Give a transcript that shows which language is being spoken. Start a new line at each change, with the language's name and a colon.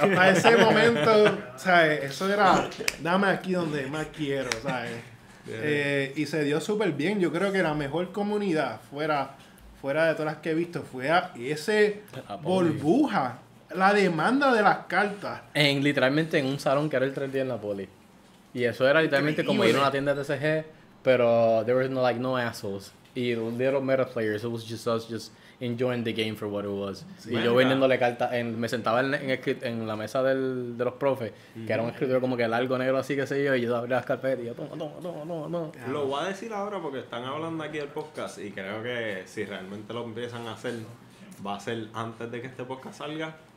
Spanish: Para ese momento, ¿sabes? Eso era... Dame aquí donde más quiero, ¿sabes? Y se dio súper bien. Yo creo que la mejor comunidad fuera de todas las que he visto fue a ese burbuja, la demanda de las cartas. Literalmente en un salón que era el 3D en la poli. Y eso era literalmente como ir a una tienda de TCG, pero
English: there was no assholes. Y little meta players, it was just us just enjoying the game for what it was.
Spanish: Sí, y yo vendiéndole cartas, me sentaba en la mesa de los profes, que era un escritorio como que largo, negro, así, qué sé yo, y yo abría las carpetas y yo, toma. Lo voy a decir ahora porque están hablando aquí del podcast y creo que si realmente lo empiezan a hacer, va a ser antes de que este podcast salga.